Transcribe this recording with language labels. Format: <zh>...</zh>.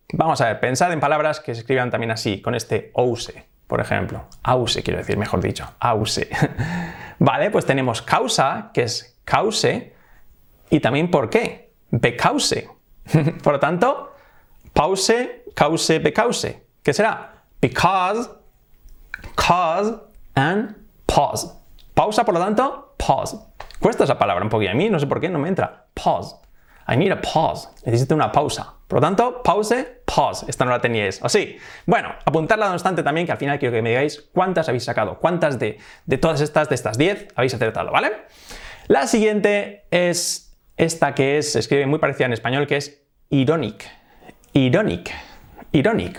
<es>Vamos a ver, pensad en palabras que se escriban también así, con este ouse. Por ejemplo, ause, quiero decir, mejor dicho, ause. Vale, pues tenemos causa, que es cause, y también por qué, because. Por lo tanto, pause, cause, because. ¿Qué será?</es> <en>Because, cause, and pause.</en> <es>Pausa, por lo tanto, pause. Cuesta esa palabra un poquito. A mí no sé por qué, no me entra. Pause.</es> <en>I need a pause.</en> <es>Necesito una pausa. Por lo tanto, pause, pause. Esta no la teníais. ¿O sí? Bueno, apuntadla no obstante también, que al final quiero que me digáis cuántas habéis sacado. ¿Cuántas de todas estas, de estas 10, habéis acertado? ¿Vale? La siguiente es esta que es, se escribe muy parecida en español, que es ironic. Ironic. Ironic.</es>